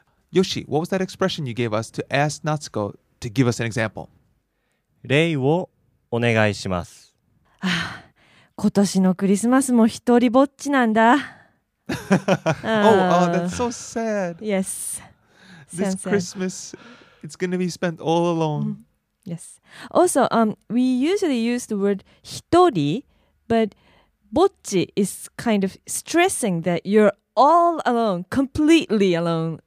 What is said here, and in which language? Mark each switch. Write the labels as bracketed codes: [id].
[en] Yoshi, what was that expression you gave us to ask Natsuko to give us an example? [ja] 礼をお願いします。今年のクリスマスも一人ぼっちなんだ。 [en] Oh, that's so sad. Yes. This Christmas, it's going to be spent all alone. Yes. Also, we usually use the word 一人, but ぼっち is kind of stressing that you're all alone, completely alone.